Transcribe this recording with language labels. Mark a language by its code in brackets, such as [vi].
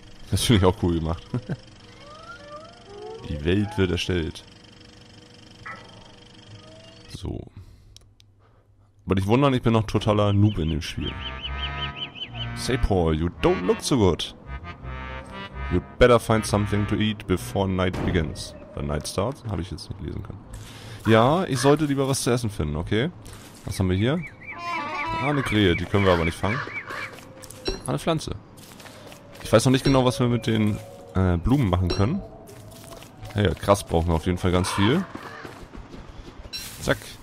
[de] Das finde ich auch cool gemacht. Die Welt wird erstellt. So. Aber nicht wundern, ich bin noch totaler Noob in dem Spiel. [en] Say Paul, you don't look so good. You better find something to eat before night begins. The night starts, [de] habe ich jetzt nicht lesen können. Ja, ich sollte lieber was zu essen finden, okay? Was haben wir hier? Ah, eine Krähe, die können wir aber nicht fangen. Ah, eine Pflanze. Ich weiß noch nicht genau, was wir mit den Blumen machen können. Hey, krass, brauchen wir auf jeden Fall ganz viel. Zack.